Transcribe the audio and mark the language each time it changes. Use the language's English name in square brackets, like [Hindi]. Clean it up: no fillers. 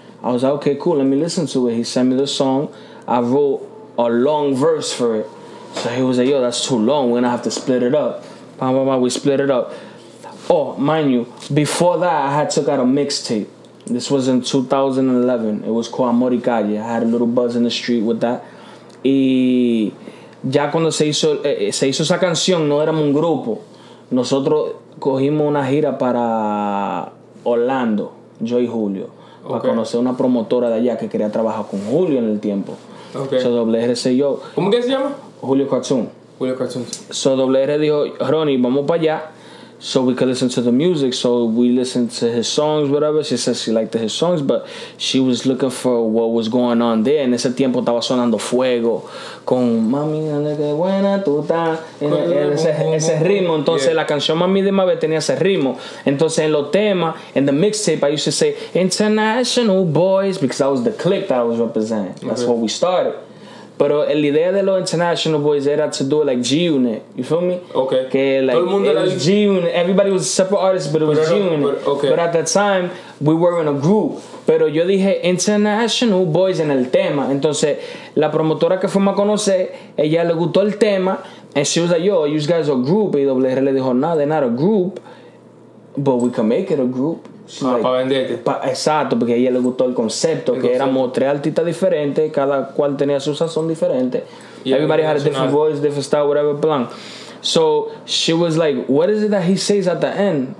[English] I was like, okay, cool, let me listen to it. He sent me the song, I wrote a long verse for it. So he was like, yo, that's too long, we're gonna have to split it up. Bah, bah, bah, we split it up. Oh, mind you, before that, I had took out a mixtape. This was in 2011, it was called Amor y Calle. I had a little buzz in the street with that. [Spanish] Y ya cuando se hizo esa canción, no éramos un grupo. Nosotros cogimos una gira para Orlando, yo y Julio, okay, para conocer una promotora de allá que quería trabajar con Julio en el tiempo. [English] Okay. [Spanish] So WRC y yo. ¿Cómo que se llama? Julio Cartoon. Julio Cartoon. So WR dijo, Ronnie, vamos para allá. [English] So we could listen to the music. So we listened to his songs, whatever. She said she liked his songs, but she was looking for what was going on there. [Spanish] En ese tiempo estaba sonando Fuego con Mami, dale que buena tú estás. Ese ritmo. Entonces, yeah, la canción Mami de Mabe tenía ese ritmo. Entonces, en los temas, en [English] the mixtape, I used to say International Boys because that was the clique that I was representing. That's okay, where we started. [Spanish] Pero la idea de los International Boys era [English] to do it like G-Unit, you feel me? Okay. [Spanish] Que like, todo el mundo era G-Unit. [English] Everybody was a separate artist, but it was G-Unit. No, okay. But at that time, we were in a group. [Spanish] Pero yo dije International Boys en el tema. Entonces, la promotora que fuimos a conocer, ella le gustó el tema. [English] And she was like, yo, you guys are a group. [Spanish] Y WR le dijo, no, [English] they're not a group, but we can make it a group. [Spanish] Ah, like, para venderte. Exacto, porque a ella le gustó el concepto, que éramos tres artistas diferentes, cada cual tenía su sazón diferente. [English] Y everybody had a different voice, different style, whatever plan. So she was like, what is it that he says at the end?